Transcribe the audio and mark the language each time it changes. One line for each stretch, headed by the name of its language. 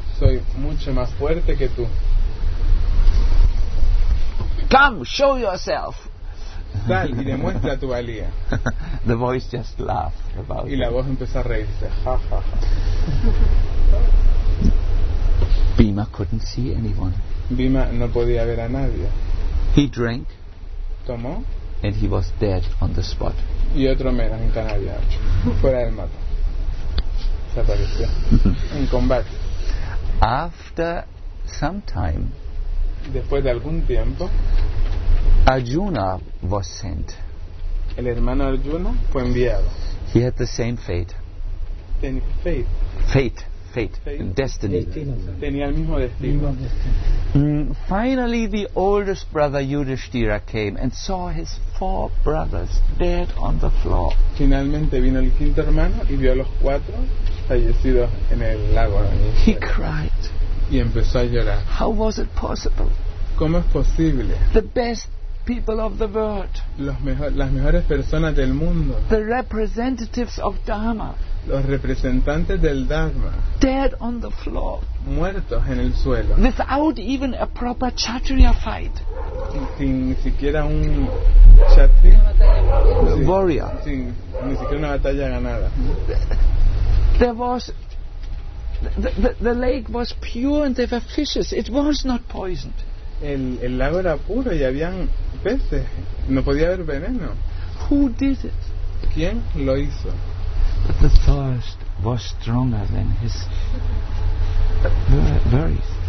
Spanish: Soy mucho más fuerte que tú.
English: Come, show yourself.
Spanish: Sal y demuestra tu valía.
English: The voice just laughed about
Spanish: y la voz empezó a reírse. Ja, ja, ja.
English: Bhima couldn't see anyone.
Spanish: Bhima no podía ver a nadie.
English: He drank.
Spanish: Tomó.
English: And he was dead on the spot.
Spanish: Y otro menos en Canadá. Fuera del mapa. Se apareció. En combate.
English: After some time,
Spanish: después de algún tiempo,
English: Arjuna was sent.
Spanish: El hermano Arjuna fue enviado.
English: He had the same fate. Fate. Destiny.
Spanish: Tenía el mismo destino.
English: Finally, the oldest brother Yudhishthira came and saw his four brothers dead on the floor.
Spanish: Finalmente vino el quinto hermano y vio a los cuatro fallecidos en el lago.
English: He cried.
Spanish: Y empezó a llorar.
English: How was it possible?
Spanish: ¿Cómo es posible?
English: The best people of the world.
Spanish: Las mejores personas del mundo.
English: The representatives of Dharma.
Spanish: Los representantes del Dharma.
English: Dead on the floor.
Spanish: Muertos en el suelo.
English: Without even a proper Kshatriya fight.
Spanish: Sin ni siquiera un Kshatriya.
English: Warrior.
Spanish: Sin ni siquiera una batalla ganada.
English: There was the lake was pure and there were fishes. It was not poisoned.
Spanish: El lago era puro y habían peces. No podía haber veneno.
English: Who did it?
Spanish: ¿Quién lo hizo?
English: But the thirst was stronger than his worries.